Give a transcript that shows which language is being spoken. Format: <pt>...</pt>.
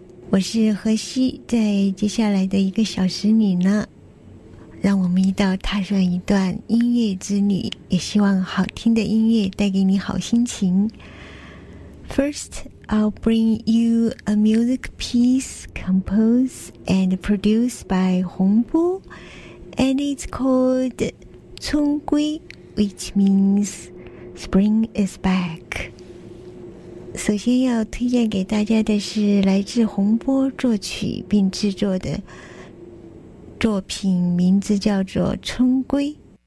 <zh>我是何西，在接下来的一个小时里呢，让我们一道踏上一段音乐之旅，也希望好听的音乐带给你好心情。</zh> <en>First, I'll bring you a music piece composed and produced by 洪波 and it's called 春归 which means spring is back。</en> <zh>首先要推荐给大家的是来自洪波作曲并制作的作品，名字叫做《春归》。</zh>